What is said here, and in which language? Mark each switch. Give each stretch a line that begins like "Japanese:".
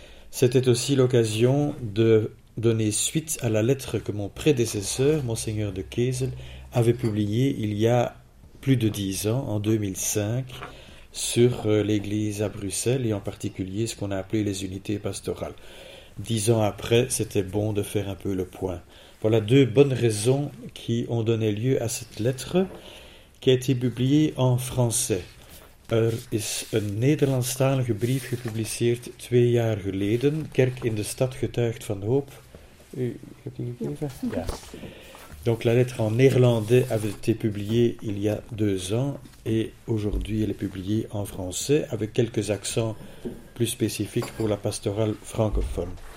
French: C'était aussi l'occasion de donner suite à la lettre que mon prédécesseur, Monseigneur de Kesel, avait publié il y a plus de 10 ans, en 2005, sur l'Église à Bruxelles, et en particulier ce qu'on a appelé les unités pastorales. 10 ans après, c'était bon de faire un peu le point. Voilà deux bonnes raisons qui ont donné lieu à cette lettre, qui a été publiée en français.
Dutch: Er is een Nederlandstalige brief gepubliceerd 2 jaar geleden. Kerk in de stad getuigt van hoop. U hebt die gegeven? Ja.
French: Donc la lettre en néerlandais avait été publiée il y a 2 ans et aujourd'hui elle est publiée en français avec quelques accents plus spécifiques pour la pastorale francophone.